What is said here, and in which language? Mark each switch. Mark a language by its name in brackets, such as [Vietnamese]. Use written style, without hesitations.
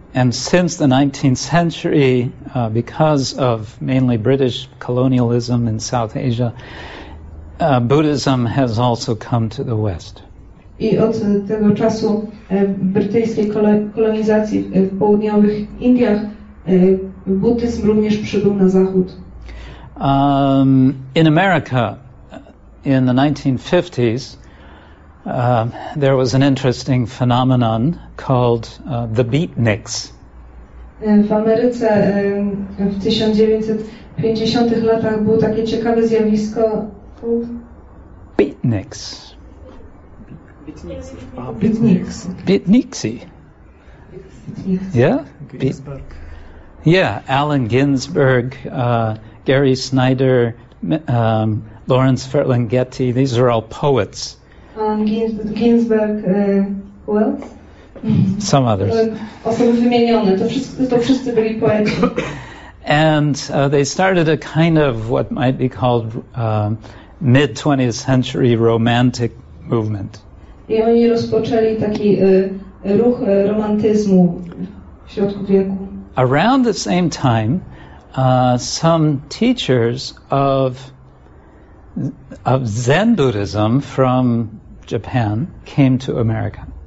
[English] And since the 19th century, because of mainly British colonialism in South Asia, Buddhism has also come to the West. [Polish] I od tego czasu brytyjskiej kolonizacji w południowych Indiach buddyzm również przybył na zachód. [English] In America, in the 1950s, there was an interesting phenomenon called the beatniks. [Polish] W Ameryce w 1950-tych latach było takie ciekawe zjawisko. [English] Beatniks. Beatniks. [Polish] Beatniksy. [English] Yeah? Ginsberg. Yeah, Allen Ginsberg, Gary Snyder, Lawrence Ferlinghetti. Getty. These are all poets. Ginsberg, poets? Some others. [Polish] Osoby wymienione. To wszyscy byli poeci. [English] And they started a kind of what might be called mid-20th century romantic movement. [Polish] I oni rozpoczęli taki ruch romantyzmu w środku wieku. [English] Around the same time, some teachers of Zen Buddhism from Japan came to America.